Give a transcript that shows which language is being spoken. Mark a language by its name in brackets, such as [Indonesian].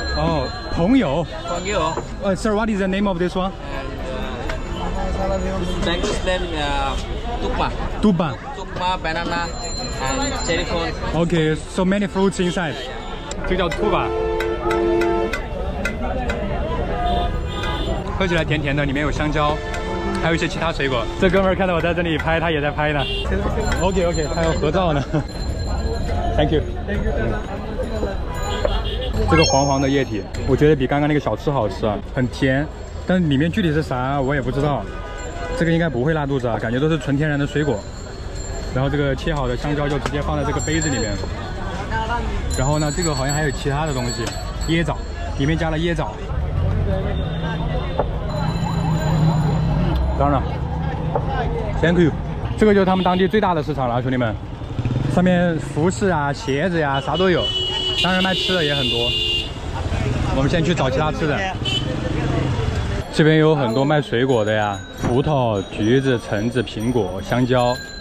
[Chinese] Oh, 朋友 Fangyu. [English] Sir, what is the name of this one? Chinese name, Tukpa. Tukpa. Tukpa, banana, and cherry phone. Okay, so many fruits inside. This is called Tukpa. [Chinese] 喝起来甜甜的，里面有香蕉。还有一些其他水果，这哥们儿看到我在这里拍，他也在拍呢。 OK， 还有合照呢。 [English] Thank you。 [Chinese] 这个黄黄的液体，我觉得比刚刚那个小吃好吃啊，很甜，但里面具体是啥我也不知道。这个应该不会拉肚子啊，感觉都是纯天然的水果。然后这个切好的香蕉就直接放在这个杯子里面。然后呢，这个好像还有其他的东西，椰枣，里面加了椰枣。当然 ， [English] Thank you。 [Chinese] 这个就是他们当地最大的市场了，兄弟们。上面服饰啊、鞋子呀、啥都有，当然卖吃的也很多。我们先去找其他吃的。这边有很多卖水果的呀，葡萄、橘子、橙子、苹果、香蕉。